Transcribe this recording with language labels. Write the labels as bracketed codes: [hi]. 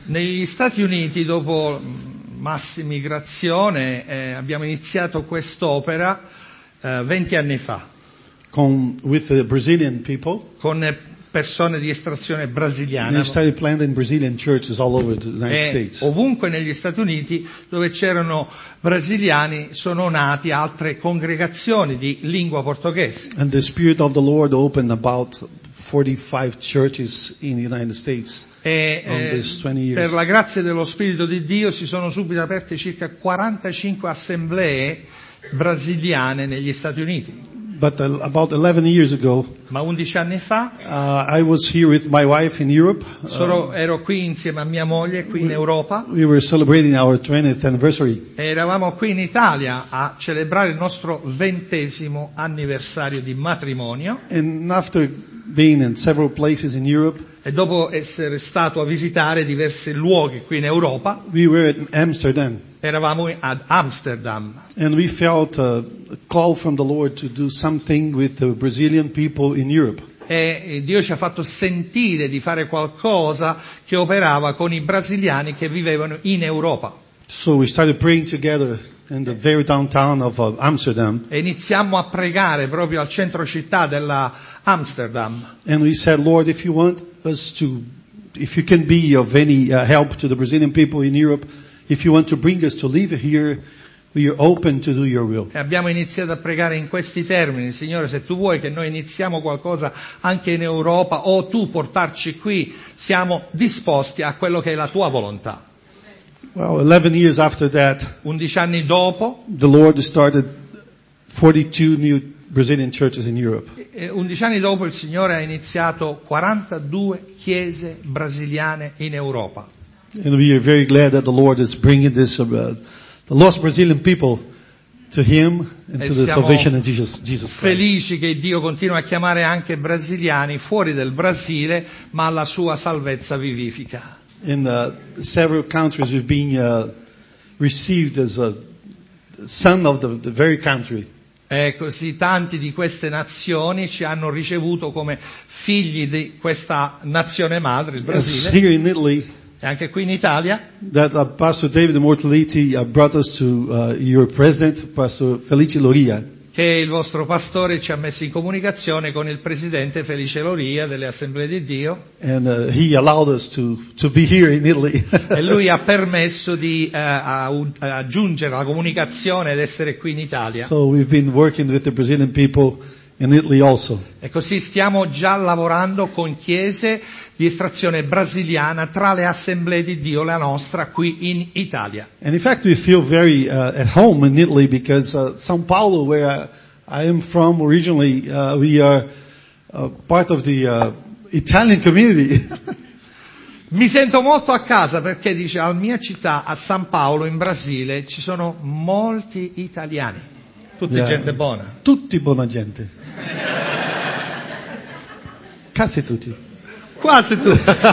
[it] Negli Stati Uniti, dopo massa migrazione, abbiamo iniziato quest'opera 20 anni fa. [en] With the Brazilian people. [it] Con persone di estrazione brasiliana. [en] They started planting Brazilian churches all over the United States. [it] Ovunque negli Stati Uniti dove c'erano brasiliani sono nati altre congregazioni di lingua portoghese. [en] And the Spirit of the Lord opened about 45 churches in the United States. [it] Per la grazia dello Spirito di Dio si sono subito aperte circa 45 assemblee brasiliane negli Stati Uniti. [en] But about 11 years ago, [it] ma 11 anni fa, [en] I was here with my wife in Europe. [it] Ero qui insieme a mia moglie qui in Europa. [en] We were celebrating our 20th anniversary. [it] E eravamo qui in Italia a celebrare il nostro 20° anniversario di matrimonio. [en] And after being in several places in Europe, [it] e dopo essere stato a visitare diversi luoghi qui in Europa, [en] we were in Amsterdam. [it] Eravamo ad Amsterdam. [en] And we felt a call from the Lord to do something with the Brazilian people in Europe. [it] E Dio ci ha fatto sentire di fare qualcosa che operava con i brasiliani che vivevano in Europa. [en] So we started praying together in the very downtown of Amsterdam. [it] E iniziamo a pregare proprio al centro città della Amsterdam. [en] And we said, Lord, if you want us to, if you can be of any help to the Brazilian people in Europe, if you want to bring us to live here, we are open to do your will. [it] E abbiamo iniziato a pregare in questi termini, Signore, se tu vuoi che noi iniziamo qualcosa anche in Europa o tu portarci qui, siamo disposti a quello che è la tua volontà. [en] Well, 11 years after that, [it] 11 anni dopo, [en] the Lord started 42 new Brazilian churches in Europe. [it] 11 anni dopo il Signore ha iniziato 42 chiese brasiliane in Europa. [en] And we are very glad that the Lord is bringing this the lost Brazilian people to Him and to the salvation in Jesus Christ. [it] Felici che Dio continua a chiamare anche brasiliani fuori del Brasile, ma alla sua salvezza vivifica. [en] In several countries we've been received as a son of the very country. [it] Così tanti di queste nazioni ci hanno ricevuto come figli di questa nazione madre, il Brasile. [en] Yes, here in Italy, [it] e anche qui in Italia, [en] that Pastor David Mortaliti brought us to your president, Pastor Felice Loria. [it] Che il vostro pastore ci ha messo in comunicazione con il presidente Felice Loria delle Assemblee di Dio. [en] And he allowed us to be here in Italy. [it] E lui ha permesso di aggiungere la comunicazione ed essere qui in Italia. [en] So we've been working with the Brazilian people in Italy also. [it] E così stiamo già lavorando con chiese di estrazione brasiliana tra le Assemblee di Dio, la nostra qui in Italia. [en] And in fact we feel very at home in Italy because São Paulo, where I am from originally, we are part of the Italian community. [it] Mi sento molto a casa perché dice alla mia città a San Paolo in Brasile ci sono molti italiani. Tutti gente buona. Tutti buona gente. Quasi tutti. Quasi tutti.